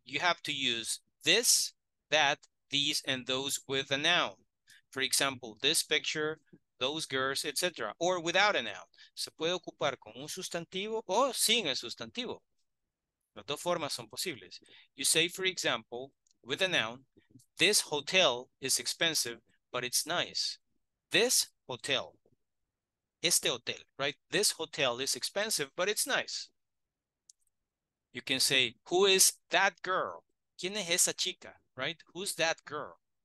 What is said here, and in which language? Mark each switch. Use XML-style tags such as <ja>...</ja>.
<en>You have to use this, that, these, and those with a noun. For example, this picture, those girls, etc. Or without a noun.</en> <es>Se puede ocupar con un sustantivo o sin el sustantivo. Las dos formas son posibles.</es> <en>You say, for example, with a noun, this hotel is expensive, but it's nice. This hotel.</en> <es>Este hotel,</es> <en>right? This hotel is expensive, but it's nice. You can say, who is that girl?</en> <es>¿Quién es esa chica?</es> <en>Right? Who's that girl?</en>